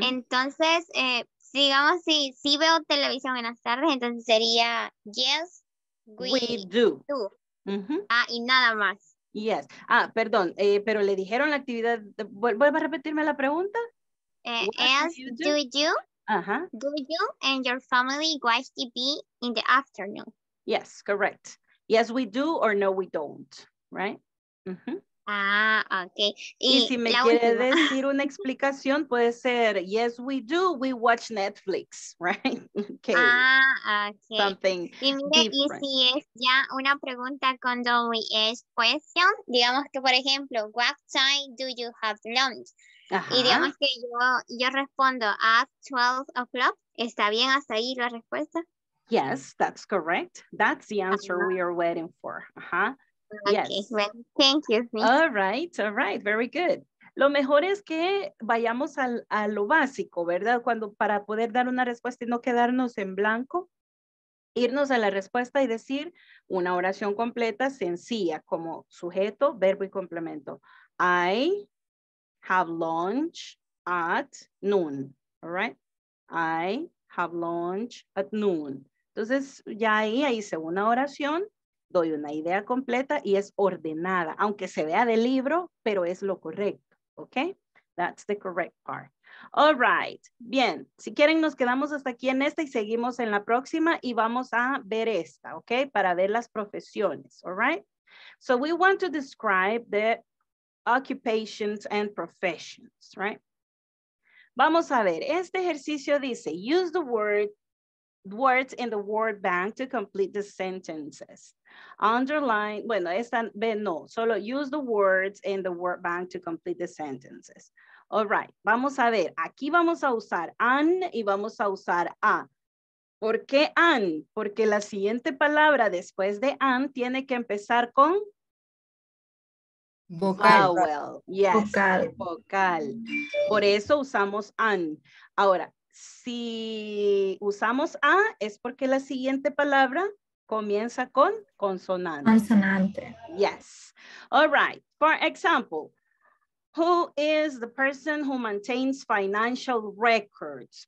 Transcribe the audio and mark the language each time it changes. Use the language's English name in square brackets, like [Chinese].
[Spanish] Entonces, digamos, si veo televisión en las tardes, entonces sería, [English] yes, we do. Uh-huh. [Spanish] Y nada más. [English] Yes. [Spanish] Perdón, pero le dijeron la actividad, ¿vuelve a repetirme la pregunta? [English] Do you uh-huh, do you and your family watch TV in the afternoon? Yes, correct. Yes, we do or no, we don't, right? Uh-huh. Okay. [Spanish] Y si me quiere última decir una explicación, puede ser, [English] yes, we do, we watch Netflix, right? Okay. Okay. Something [Spanish] different. Y si es ya una pregunta con WH question, digamos que, por ejemplo, [English] what time do you have lunch? Ajá. [Spanish] Y digamos que yo respondo, [English] at 12 o'clock, [Spanish] ¿está bien hasta ahí la respuesta? [English] Yes, that's correct. That's the answer we are waiting for. Uh-huh. Okay, yes. Well, thank you. All right. Very good. [Spanish] Lo mejor es que vayamos a lo básico, ¿verdad? Cuando, para poder dar una respuesta y no quedarnos en blanco, irnos a la respuesta y decir una oración completa, sencilla, como sujeto, verbo y complemento. [English] I have lunch at noon, all right? I have lunch at noon. [Spanish] Entonces, ya ahí hice una oración, doy una idea completa y es ordenada, aunque se vea del libro, pero es lo correcto, ¿ok? [English] That's the correct part. All right, [Spanish] bien, si quieren nos quedamos hasta aquí en esta y seguimos en la próxima y vamos a ver esta, ¿ok? Para ver las profesiones, [English] all right? So we want to describe the occupations and professions, right? [Spanish] Vamos a ver, este ejercicio dice, [English] use the words in the word bank to complete the sentences. [Spanish] Underline, bueno, esta, no, solo [English] use the words in the word bank to complete the sentences. All right, [Spanish] vamos a ver, aquí vamos a usar an y vamos a usar a. ¿Por qué an? Porque la siguiente palabra después de an tiene que empezar con vocal. [English] Vowel. Yes, [Spanish] vocal. Vocal. Por eso usamos an. Ahora, si usamos a, es porque la siguiente palabra comienza con consonante. Consonante. [English] Yes. All right, for example, who is the person who maintains financial records?